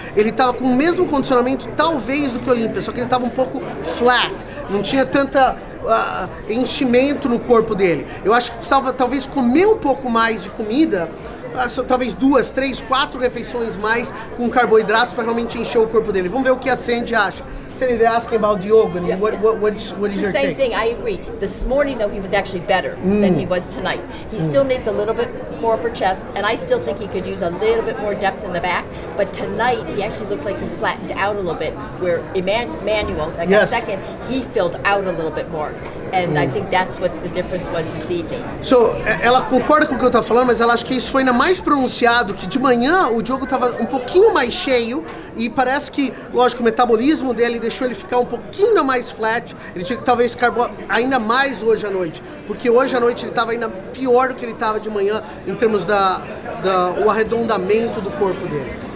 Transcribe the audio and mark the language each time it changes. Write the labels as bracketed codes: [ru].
[pt] Ele estava com o mesmo condicionamento, talvez, do que o Olímpia, só que ele estava um pouco flat. Não tinha tanta... enchimento no corpo dele. Eu acho que precisava talvez comer um pouco mais de comida, talvez 2, 3, 4 refeições mais com carboidratos para realmente encher o corpo dele. Vamos ver o que a Sandy acha. [en] Sandy, they're asking about Diogo. What is your take? thing, I agree. This morning, though, he was actually better than he was tonight. He still needs a little bit more upper chest, and I still think he could use a little bit more depth in the back, but tonight he actually looked like he flattened out a little bit, where Emmanuel, like yes. a second, he filled out a little bit more. And I think that's what the difference was this evening. [pt] So, ela concorda com o que eu tô falando, mas ela acha que isso foi ainda mais pronunciado, que de manhã o Diogo tava um pouquinho mais cheio, e parece que, lógico, o metabolismo dele deixou ele ficar um pouquinho mais flat. Ele tinha que talvez carboar ainda mais hoje à noite, porque hoje à noite ele estava ainda pior do que ele estava de manhã em termos do arredondamento do corpo dele.